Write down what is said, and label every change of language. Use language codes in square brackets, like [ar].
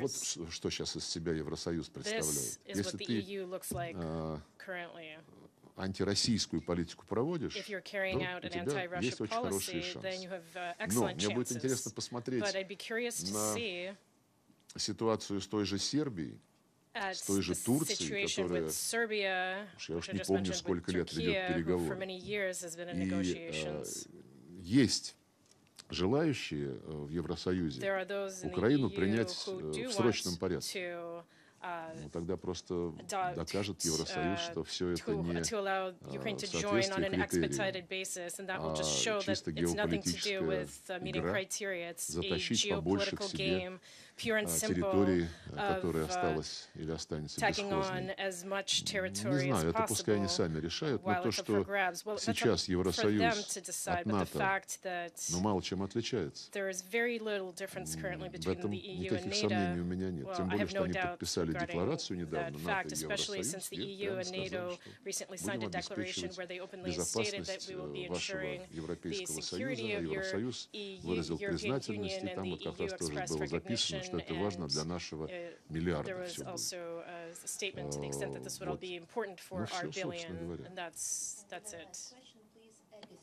[ru] Вот что сейчас из себя Евросоюз представляет. Если ты антироссийскую политику проводишь, [en] if you're carrying out an anti-Russia policy, then you have excellent chances. But I'd be curious to see [ru] ситуацию с той же Сербией, с той же Турцией, которая, уж я уж не помню, сколько лет ведет переговоры. И есть желающие в Евросоюзе Украину принять в срочном порядке. Ну, тогда просто докажет Евросоюз, что все это не соответствие критериям, а чисто геополитическая игра, затащить побольше к себе территории, которая осталась или останется бесхозной. Не знаю, это пускай они сами решают, но то, что сейчас Евросоюз от НАТО, ну, мало чем отличается. В этом никаких сомнений у меня нет. Тем более, что они подписали декларацию. [en] Fact, especially since the EU and NATO recently signed a declaration where they openly stated that we will be ensuring the security of your European Union, and the EU expressed recognition, and there was also a statement to the extent that this would all be important for our billion, and that's it.